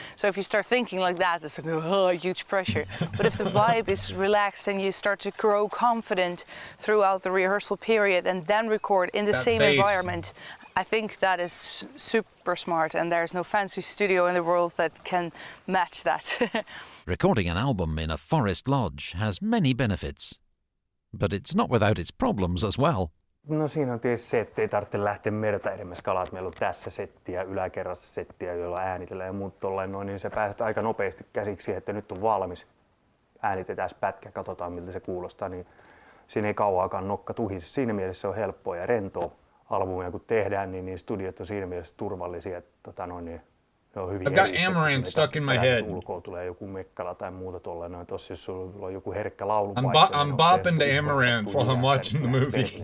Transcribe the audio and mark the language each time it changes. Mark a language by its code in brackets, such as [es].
[en] So if you start thinking like that, it's like, oh, huge pressure. But if the vibe is relaxed and you start to grow confident throughout the rehearsal period and then record in the that same face. Environment, I think that is super smart, and there's no fancy studio in the world that can match that. Recording an album in a forest lodge has many benefits, but it's not without its problems as well. [fi] No siinä on tietysti se, että ei tarvitse lähteä merta edemmäs kalaa, että meillä on tässä settiä, yläkerrassa settiä, jolla äänitellään ja muut tolleen noin, niin sä pääset aika nopeasti käsiksi, että nyt on valmis, äänitetään pätkä, katsotaan miltä se kuulostaa, niin siinä ei kauaakaan nokka tuhisi. Siinä mielessä se on helppoa ja rentoa albumia, kun tehdään, niin studiot on siinä mielessä turvallisia, että tota noin, niin ne on hyvin [en] I've got Amaranth stuck in my head. [fi] Ulkoa tulee joku mekkala tai muuta tolleen noin. Tossa jos sulla on joku herkkä laulu. [en] I'm bopping to Amaranth while I'm watching the movie.